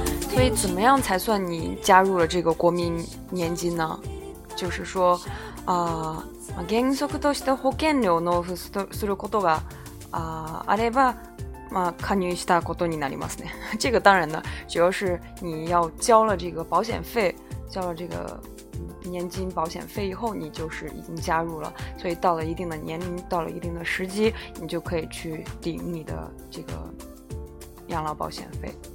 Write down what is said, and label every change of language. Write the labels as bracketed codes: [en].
[zh] 所以怎么样才算你加入了这个国民年金呢？就是说 [ja] 原則として保険料を納付することが あれば、まあ、加入したことになりますね。 [zh] 这个当然呢，主要是你要交了这个保险费，交了这个年金保险费以后，你就是已经加入了。所以到了一定的年龄，到了一定的时机，你就可以去领你的这个养老保险费。